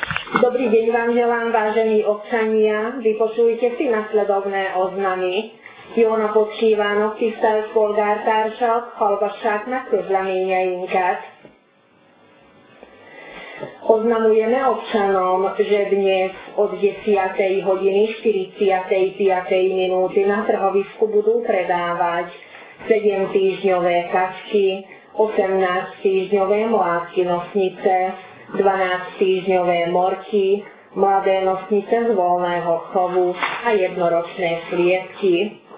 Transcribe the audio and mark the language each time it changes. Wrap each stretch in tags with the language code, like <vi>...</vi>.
<sk>Dobrý deň vám želám, vážení občania. Vypočujte si nasledovné oznamy.</sk> <hu>Jóna počívano, tisztelt polgártársak, hallgassák meg közleményeinket.</hu> <sk>Oznamujeme občanom, že dnes od 10. hodiny 45. minúty na trhovisku budú predávať 7 týždňové kačky, 18 týždňové mláci nosnice, 12 týždňové morky, mladé nosnice z voľného chovu a jednoročné sliepky.</sk>